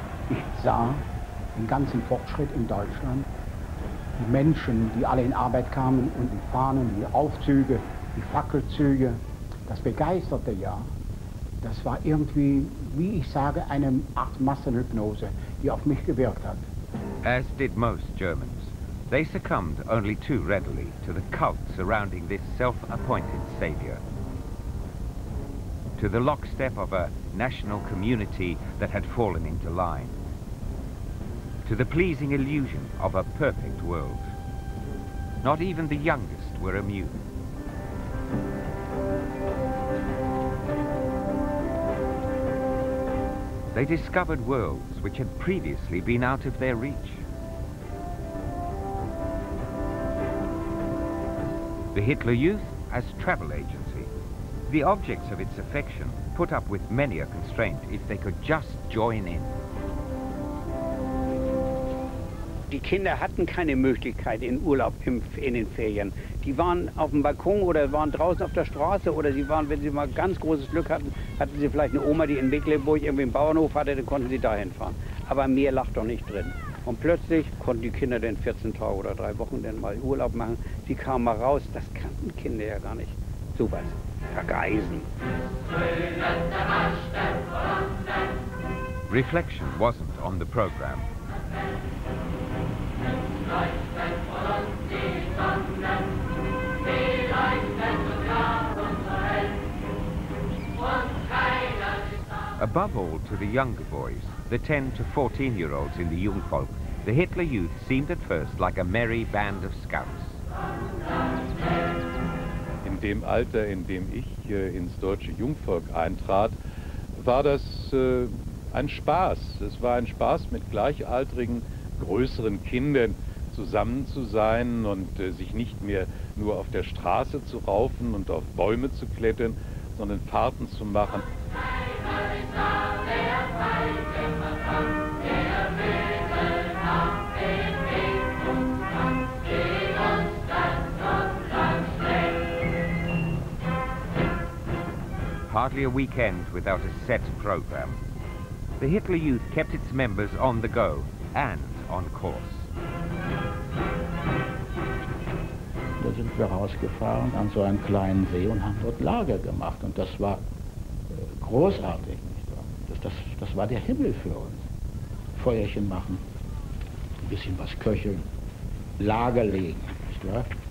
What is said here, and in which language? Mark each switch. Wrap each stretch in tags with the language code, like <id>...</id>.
<de>Ich sah den ganzen Fortschritt in Deutschland, die Menschen, die alle in Arbeit kamen und die Fahnen, die Aufzüge, die Fackelzüge, das begeisterte ja. Das war irgendwie, wie ich sage, eine Art Massenhypnose, die auf mich gewirkt hat.</de> <en>As did most Germans, they succumbed only too readily to the cult surrounding this self-appointed savior. To the lockstep of a national community that had fallen into line. To the pleasing illusion of a perfect world. Not even the youngest were immune. They discovered worlds which had previously been out of their reach. The Hitler Youth as travel agency. The objects of its affection put up with many a constraint if they could just join in.</en> <de>Die Kinder hatten keine Möglichkeit in Urlaub in den Ferien. Die waren auf dem Balkon oder waren draußen auf der Straße oder sie waren, wenn sie mal ganz großes Glück hatten, hatten sie vielleicht eine Oma, die in Mecklenburg irgendwie einen Bauernhof hatte, dann konnten sie dahin fahren. Aber mehr lag doch nicht drin. Und plötzlich konnten die Kinder dann 14 Tage oder 3 Wochen dann mal Urlaub machen. Sie kamen mal raus, das kannten Kinder ja gar nicht. Sowas. Vergeisen.</de> <en>Reflection wasn't on the program. Above all, to the younger boys, the 10 to 14 year olds in the Jungvolk, the Hitler Youth seemed at first like a merry band of scouts.</en> <de>In dem Alter, in dem ich ins deutsche Jungvolk eintrat, war das ein Spaß. Es war ein Spaß, mit gleichaltrigen, größeren Kindern zusammen zu sein und sich nicht mehr nur auf der Straße zu raufen und auf Bäume zu klettern, sondern Fahrten zu machen.</de> <en>Hardly a weekend without a set program. The Hitler Youth kept its members on the go and on course.</en> <de>Da sind wir rausgefahren an so einen kleinen See und haben dort Lager gemacht. Und das war großartig. Das war der Himmel für uns. Feuerchen machen, ein bisschen was köcheln, Lager legen. Nicht wahr?</de>